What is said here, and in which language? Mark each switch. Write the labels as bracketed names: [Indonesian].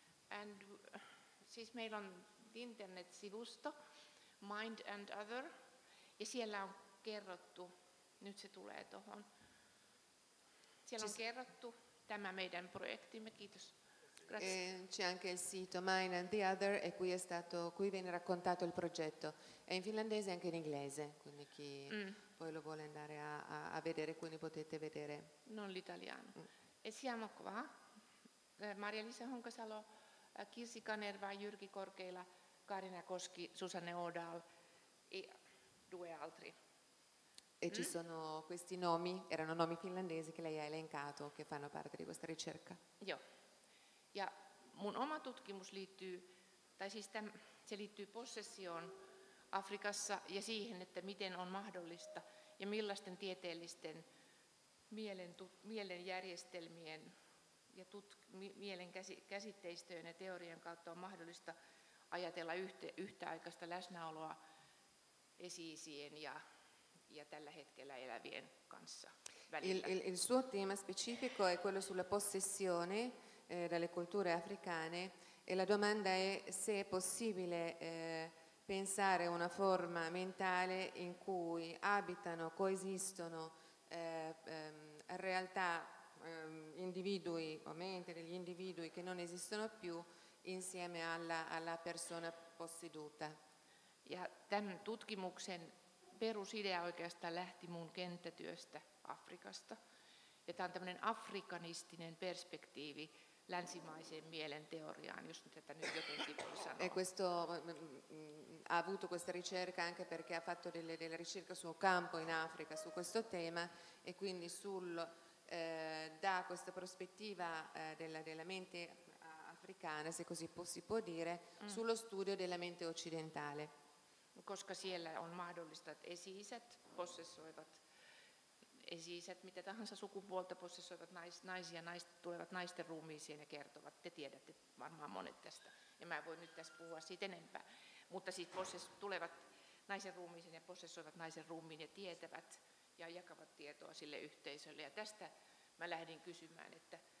[Finnish] And siis meillä on internet-sivusto Mind and Other, ja siellä on kerrottu, nyt se tulee tuohon, siellä on kerrottu tämä meidän projektimme, kiitos. [Italian] C'è anche il sito Mind and the Other e qui viene raccontato il progetto. È in finlandese e anche in inglese, quindi chi poi lo vuole andare a vedere, quindi potete vedere. Non l'italiano. E siamo qua, Maria-Liisa Honkasalo, Kirsi Kanerva, Jyrki Korkeila, Karina Koski, Susanne Odal e 2 altri. E ci sono questi nomi, erano nomi finlandesi che lei ha elencato, che fanno parte di questa ricerca. [Finnish] Joo. Ja mun oma tutkimus liittyy, tai siis se liittyy possessioon Afrikassa ja siihen, että miten on mahdollista ja millaisten tieteellisten mielen järjestelmien ja mielen käsitteistöjen ja teorian kautta on mahdollista ajatella yhtäaikaista läsnäoloa esi-isien ja tällä hetkellä elävien kanssa välillä. [Italian] Il suo tema specifico è quello sulla possessione dalle culture africane E la domanda è se è possibile pensare una forma mentale in cui abitano, coesistono realtà, individui o mente degli individui che non esistono più insieme alla persona posseduta. [Finnish] Ja tämän tutkimuksen perusidea oikeastaan lähti mun kenttätyöstä Afrikasta. Ja tämä on tämmöinen afrikanistinen perspektiivi länsimaiseen mielen teoriaan, jos tätä nyt jotenkin voi sanoa. [Italian] E questo ha avuto questa ricerca anche perché ha fatto delle ricerche sul campo in Africa su questo tema e quindi sul da questa prospettiva della mente africana, se così si può dire, sullo studio della mente occidentale. [Finnish] Koska siellä on mahdollista, että esi-isät possessoivat, esi-isät mitä tahansa sukupuolta possessoivat naisia, naiset tulevat naisten ruumiisiin ja kertovat, te tiedätte varmaan monet tästä, ja mä en voi nyt tässä puhua siitä enempää, mutta siis tulevat naisen ruumiisiin ja possessoivat naisen ruumiin ja tietävät ja jakavat tietoa sille yhteisölle, ja tästä mä lähdin kysymään, että